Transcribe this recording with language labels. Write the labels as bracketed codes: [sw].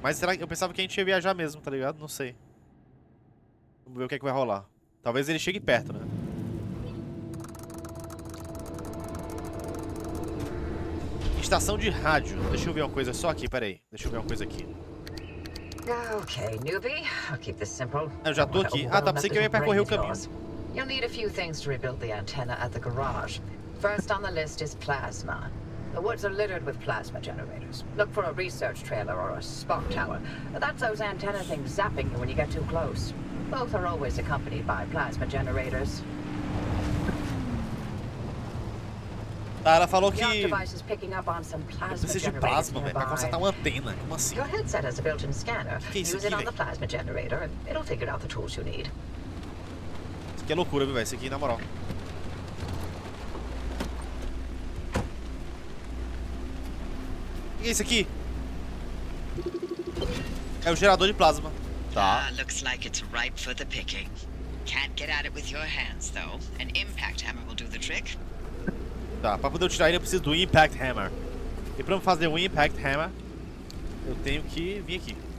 [pt] Mas será que... eu pensava que a gente ia viajar mesmo, tá ligado? Não sei. Vamos ver o que é que vai rolar. Talvez ele chegue perto, né? Estação de rádio. Deixa eu ver uma coisa só aqui, peraí. Deixa eu ver uma coisa aqui. [en] Ok, newbie. I'll keep this simple. [pt] Eu já tô aqui. Ah, tá, pensei que eu ia percorrer o caminho. [en] You'll need a few things to rebuild the antenna at the garage. First on the list is plasma. The woods are littered with plasma generators. Look for a research trailer or a spock tower. That's those antenna things zapping you when you get too close. Both are always accompanied by plasma generators. [pt] Tá, ela falou que eu preciso de plasma, velho, pra consertar uma antena. Como assim? [en] Your headset has a built-in scanner. [pt] Que é isso aqui, velho? [en] It'll figure out the tools you need. [pt] Isso aqui é loucura, velho. Isso aqui, na moral. O que é isso aqui? É o gerador de plasma. Tá. [en] Ah, looks like it's ripe for the picking. Can't get at it with your hands, though. An impact hammer will do the trick. [pt] Tá, pra poder tirar ele eu preciso do Impact Hammer. E pra eu fazer um Impact Hammer, eu tenho que vir aqui.